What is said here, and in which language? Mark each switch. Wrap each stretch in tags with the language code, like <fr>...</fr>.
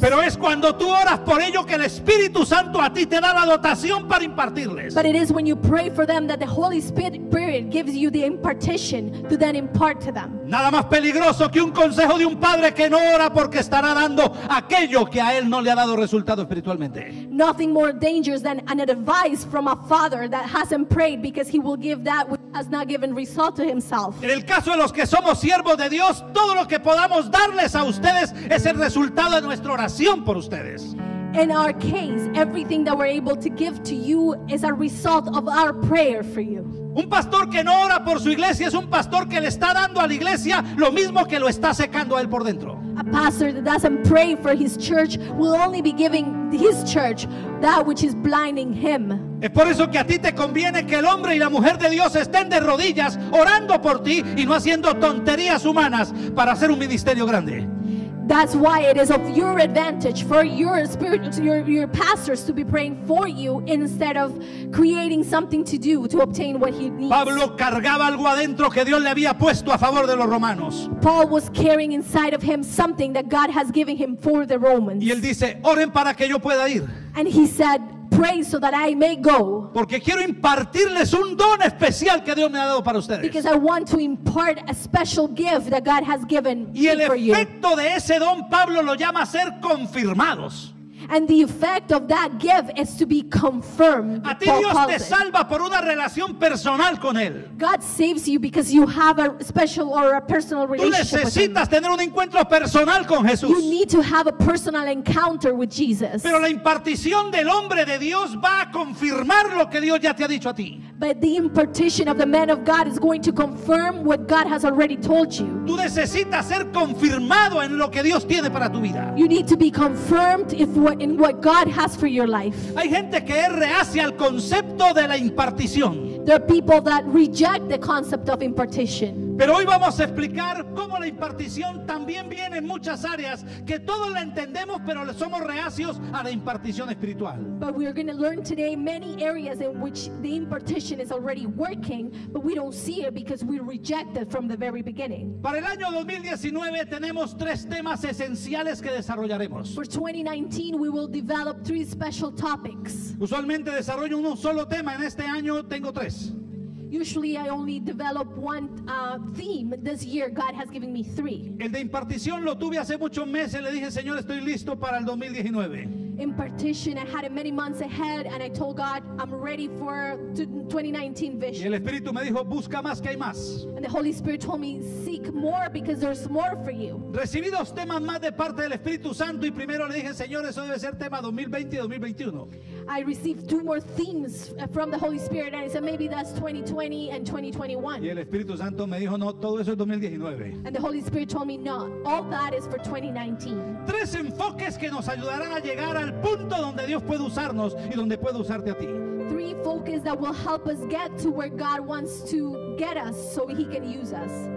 <es>Pero es cuando tú oras por ellos que el Espíritu Santo a ti te da la dotación para impartirles.</es> <en>But it is when you pray for them that the Holy Spirit gives you the impartation to then impart to them.</en> <es>Nada más peligroso que un consejo de un padre que no ora porque estará dando aquello que a él no le ha dado resultado espiritualmente.</es> <en>Nothing more dangerous than an advice from a father that hasn't prayed because he will give that which has not given result to himself.</en> <es>En el caso de los que somos siervos de Dios, todo lo que podamos darles a ustedes es el resultado de nuestra oración por ustedes.</es> <en>In our case, everything that we're able to give to you is a result of our prayer for you.</en> <es>Un pastor que no ora por su iglesia es un pastor que le está dando a la iglesia lo mismo que lo está secando a él por dentro.</es> <en>A pastor that doesn't pray for his church will only be giving his church that which is blinding him.</en> <es>Es por eso que a ti te conviene que el hombre y la mujer de Dios estén de rodillas orando por ti y no haciendo tonterías humanas para hacer un ministerio grande.</es> <en>That's why it is of your advantage for your spirit, your pastors to be praying for you instead of creating something to do to obtain what he needs.</en> <es>Pablo cargaba algo adentro que Dios le había puesto a favor de los romanos.</es> <en>Paul was carrying inside of him something that God has given him for the Romans.</en> <es>Y él dice, oren para que yo pueda ir.</es> <en>And he said, pray so that I may go.</en> <es>Porque quiero impartirles un don especial que Dios me ha dado para ustedes.</es> <en>Because I want to impart a special gift that God has given for you.</en> <es>Y el efecto de ese don Pablo lo llama ser confirmados.</es> <en>And the effect of that gift is to be confirmed.</en> <es>A ti Dios te salva por una relación personal con él.</es> <en>God saves you because you have a special or a personal relationship.</en> <es>Tú necesitas tener un encuentro personal con Jesús.</es> <en>You need to have a personal encounter with Jesus.</en> <es>Pero la impartición del hombre de Dios va a confirmar lo que Dios ya te ha dicho a ti.</es> <en>But the impartition of the man of God is going to confirm what God has already told you.</en> <es>Tú necesitas ser confirmado en lo que Dios tiene para tu vida.</es> <en>You need to be confirmed in what God has for your life.</en> <es>Hay gente que es reacia al concepto de la impartición.</es> <en>There are people that reject the concept of impartition.</en> <es>Pero hoy vamos a explicar cómo la impartición también viene en muchas áreas que todos la entendemos, pero somos reacios a la impartición espiritual.</es> <en>But we are going to learn today many areas in which the impartition is already working, but we don't see it because we reject it from the very beginning.</en> <es>Para el año 2019 tenemos tres temas esenciales que desarrollaremos.</es> <en>For 2019 we will develop three special topics.</en> <es>Usualmente desarrollo un solo tema, en este año tengo tres.</es> <en>Usually I only develop one theme. This year God has given me three.</en> <es>El de impartición lo tuve hace muchos meses. Le dije, Señor, estoy listo para el 2019.</es> <en>Impartition, I had it many months ahead, and I told God, I'm ready for 2019 vision.</en> <es>Y el Espíritu me dijo, busca más que hay más.</es> <en>And the Holy Spirit told me, seek more because there's more for you.</en> <es>Recibí dos temas más de parte del Espíritu Santo y primero le dije, Señor, eso debe ser tema 2020 y 2021.</es> <en>I received two more themes from the Holy Spirit, and I said, maybe that's 2020 and 2021.</en> <es>Y el Espíritu Santo me dijo, no, todo eso es 2019.</es> <en>And the Holy Spirit told me, no, all that is for 2019.</en> <es>Tres enfoques que nos ayudarán a llegar al punto donde Dios puede usarnos y donde puede usarte a ti.</es> <en>Three focuses that will help us get to where God wants to get us so he can use us.</en>